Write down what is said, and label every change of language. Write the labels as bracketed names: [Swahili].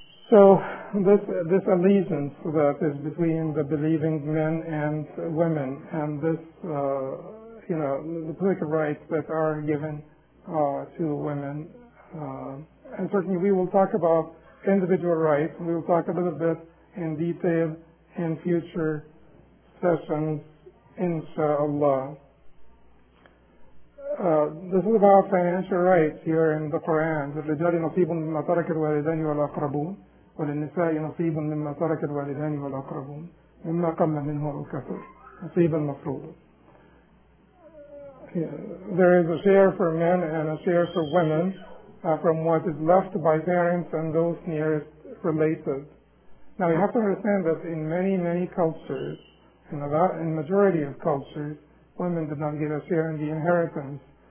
[English] So this allegiance that is between the believing men and women, and this, you know, the political rights that are given to women, and certainly we will talk about individual rights. We will talk a little bit in detail in future sessions, inshallah. This is about financial rights here in the Quran. [Arabic] الرجال نصيب مما ترك الوالدان والأقربون وللنساء نصيب مما ترك الوالدان والأقربون مما قل منه أو كثر نصيب المفروض. [English] There is a share for men and a share for women from what is left by parents and those nearest related. Now you have to understand that in many, many cultures, in the majority of cultures, women did not get a share in the inheritance.